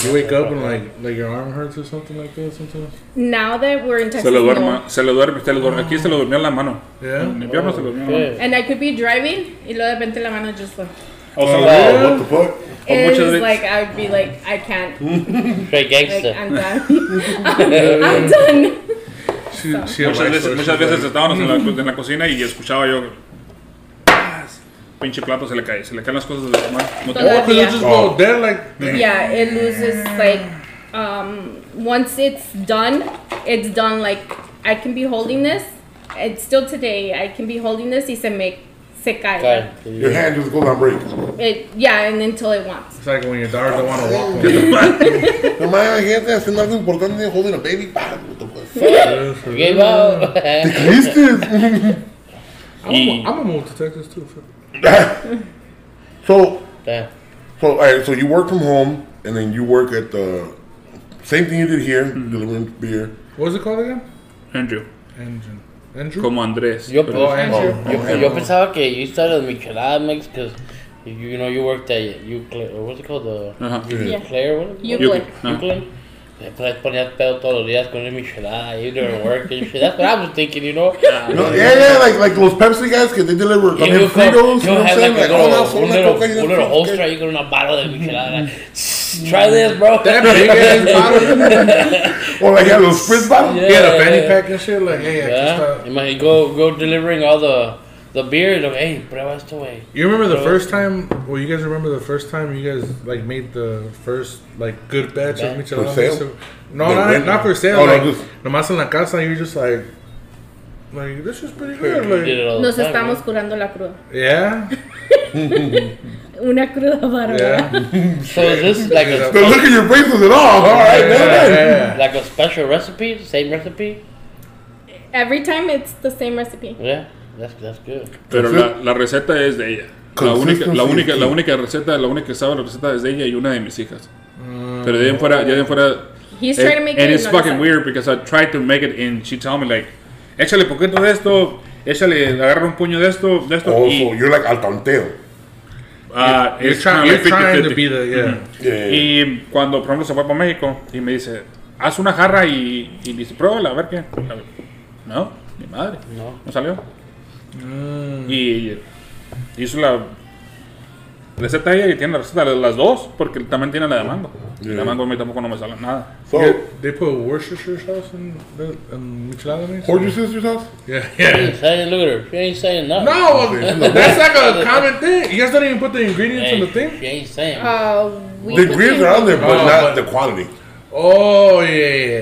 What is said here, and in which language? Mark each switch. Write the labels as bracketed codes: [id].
[en] you wake up and like your arm hurts or something like that sometimes. Now that we're in Texas, [es] se le duerme. Aquí se le durmió la mano. [en] Yeah. [es] Oh, se le durmió. [en] And I could be driving, [es] y luego de repente la mano [en] just like. Oh, so yeah. What the fuck? It's like I would be like, I can't. Great gangster. Like, I'm done. I'm done. [es] Muchas veces estábamos en la cocina y escuchaba yo. Pinche plato se le cae. Se le caen las cosas de la mano. No te preocupes. [en] Oh, just go there like. Yeah, it loses like. Once it's done like. I can be holding this. And still today, I can be holding this. [es] Y se me. Se cae. [en] Okay. Your hand just goes on break. And until it wants. It's like when your daughter don't want to walk with you. Imagine [es] gente haciendo algo importante [en] holding a baby. What the fuck? Give up. [es] Te creíste. [en] I'm a move to Texas too. So you work from home and then you work at the same thing you did here, delivering beer. What's it called again? [es] Andrew. Como Andrés. Yo pensaba que [en] you started Michelada Mix because you know you worked at Yukla. [es] Después ponías pedo todos los días con el Michelada. [en] You didn't work and shit. That's what I was thinking, you know? Like those Pepsi guys, because they deliver Fritos. You know what I'm saying? Like, oh, a little holster, you get in a bottle of the Michelada. Try this, bro. That big ass bottle. Or well, like, you had a little Spritz bottle. Yeah, a fanny pack and shit. Like, hey, yeah. Imagine go delivering all the beer. Like, hey, [es] prueba esto, wey. [en] You remember the first time? Well, you guys remember the first time you guys, like, made the first, like, good batch of Michelada? For sale? Not for sale. Oh, like, [es] nomás en la casa, [en] you're just like... Like, this is pretty good. Like, [es] nos estamos curando la cruda. [en] Yeah. [es] Una cruda barba. [en] Yeah. So is this like a... But look at your faces at all. All right, man. Like a special recipe? Same recipe? Every time it's the same recipe. Yeah. That's good. [es] Pero la receta es de ella. La única receta es de ella y una de mis hijas. Pero de ahí en fuera... [en] He's trying to make it... And it's fucking weird because I tried to make it and she told me like... [es] Échale poquito de esto, échale, agarra un puño de esto. [en] Oh, so you're like [es] al tanteo. [en] You're trying to be the. [es] Y cuando, por ejemplo, se fue para México y me dice, haz una jarra y dice, pruébala, a ver qué. No, mi madre. No salió. Y hizo la receta ella y tiene la receta de las dos, porque también tiene la de mango. Yeah. La mango a mí tampoco no me sale nada. [en] So, they put Worcestershire sauce in Michelada mix? Worcestershire sauce? Yeah. She ain't saying nothing. No, that's like a common thing. You guys don't even put the ingredients in the thing? She ain't saying. The ingredients are on there, but not the quality. Oh, yeah.